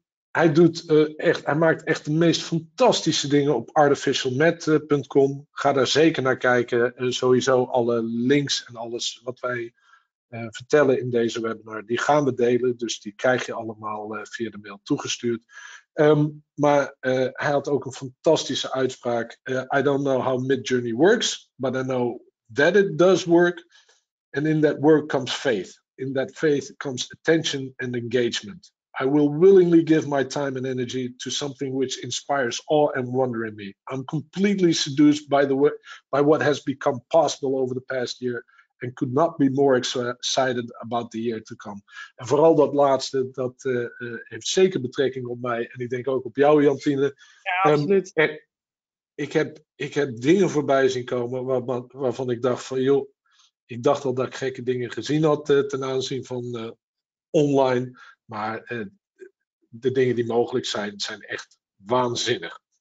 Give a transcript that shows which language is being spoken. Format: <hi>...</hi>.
<nl>Hij maakt echt de meest fantastische dingen op artificialnet.com. Ga daar zeker naar kijken. Sowieso alle links en alles wat wij vertellen in deze webinar, die gaan we delen. Dus die krijg je allemaal via de mail toegestuurd. Hij had ook een fantastische uitspraak.</nl> <en>I don't know how Midjourney works, but I know that it does work. And in that work comes faith. In that faith comes attention and engagement. I will willingly give my time and energy to something which inspires awe and wonder in me. I'm completely seduced by what has become possible over the past year and could not be more excited about the year to come.</en> <nl>En vooral dat laatste, dat heeft zeker betrekking op mij en ik denk ook op jou, Jantine. Ja, absoluut. Ik heb dingen voorbij zien komen waarvan ik dacht van joh, ik dacht al dat ik gekke dingen gezien had ten aanzien van online, maar de dingen die mogelijk zijn, zijn echt waanzinnig.</nl>